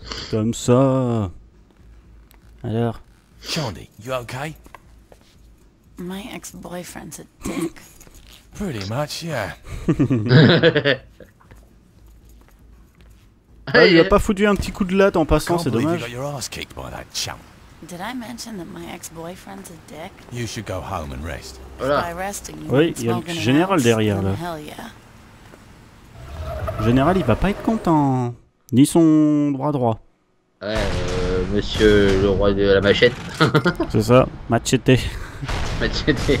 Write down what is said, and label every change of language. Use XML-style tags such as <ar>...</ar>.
<fr>Comme ça! Alors? Shandy,</fr> <en>you okay? My ex-boyfriend's a dick. Pretty much, yeah.</en> <fr>Ah, il a pas foutu un petit coup de latte en passant, c'est dommage.</fr> <en>You got your ass kicked by that chump. Did I mention that my ex-boyfriend's a dick? You should go home and rest.</en> <fr>Voilà. Oui, il y a le général derrière là. Général, il va pas être content. Ni son droit. Ouais, monsieur le roi de la machette. C'est ça, machete. Machete.</fr>